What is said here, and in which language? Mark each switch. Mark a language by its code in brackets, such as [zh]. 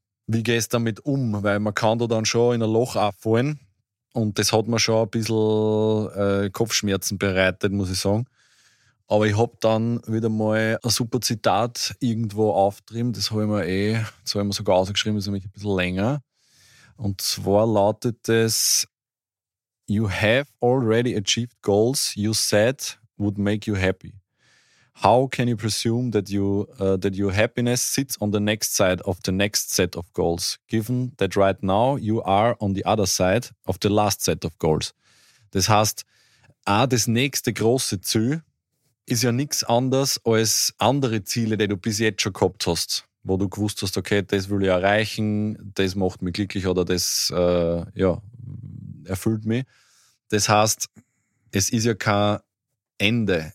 [de] Wie gehst du damit um? Weil man kann da dann schon in ein Loch abfallen und das hat mir schon ein bisschen Kopfschmerzen bereitet, muss ich sagen. Aber ich habe dann wieder mal ein super Zitat irgendwo aufgetrieben, das habe ich mir sogar ausgeschrieben, das ist nämlich ein bisschen länger. Und zwar lautet das: [en] you have already achieved goals you said would make you happy. How can you presume that your happiness sits on the next side of the next set of goals, given that right now you are on the other side of the last set of goals? [de] Das heißt, das nächste große Ziel ist ja nichts anderes als andere Ziele, die du bis jetzt schon gehabt hast, wo du gewusst hast, okay, das will ich erreichen, das macht mich glücklich oder das erfüllt mich. Das heißt, es ist ja kein Ende.